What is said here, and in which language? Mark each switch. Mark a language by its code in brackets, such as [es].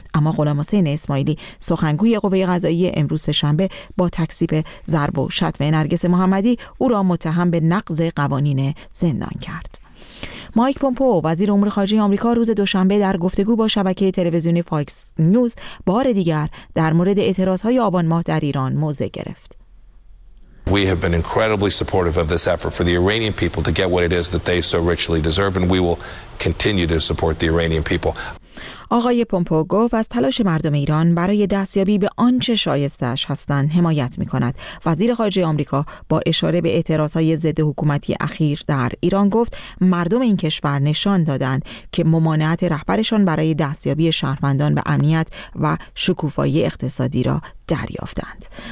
[fa] اما غلامحسین اسماعیلی سخنگوی قوه قضاییه امروز شنبه با تکذیب ضرب و شتم نرگس محمدی او را متهم به نقض قوانین زندان کرد. مایک پومپو وزیر امور خارجه آمریکا روز دوشنبه در گفتگو با شبکه تلویزیونی فاکس نیوز بار دیگر در مورد اعتراض‌های آبان ماه در ایران موضع گرفت. [en] We have been incredibly supportive of this effort for the Iranian people to get what it is that they so richly deserve and we will continue to support the Iranian people. [fa] آقای پومپو گفت از تلاش مردم ایران برای دستیابی به آنچه شایستش هستند حمایت می‌کند. وزیر خارجه آمریکا با اشاره به اعتراض‌های ضد حکومتی اخیر در ایران گفت مردم این کشور نشان دادند که ممانعت رهبرشان برای دستیابی شهروندان به امنیت و شکوفایی اقتصادی را دریافتند.